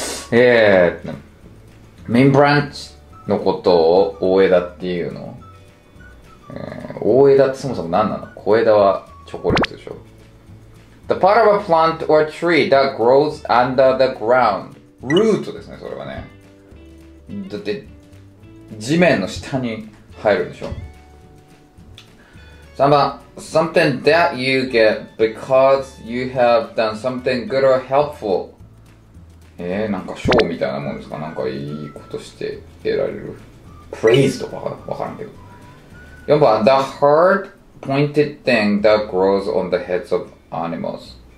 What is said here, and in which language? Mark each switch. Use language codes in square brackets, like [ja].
[ja] メインブランチのことを大枝っていうの、大枝ってそもそも何なの？小枝はチョコレートでしょ。 [en] The part of a plant or tree that grows under the ground. [ja] Root ですね、それはね。だって、地面の下に入るんでしょ。3番。 [en] Something that you get because you have done something good or helpful. [ja] なんか賞みたいなもんですか？なんかいいことして得られる。 Praise とかわからんけど。4番。 [en] The hard pointed thing that grows on the heads of animals.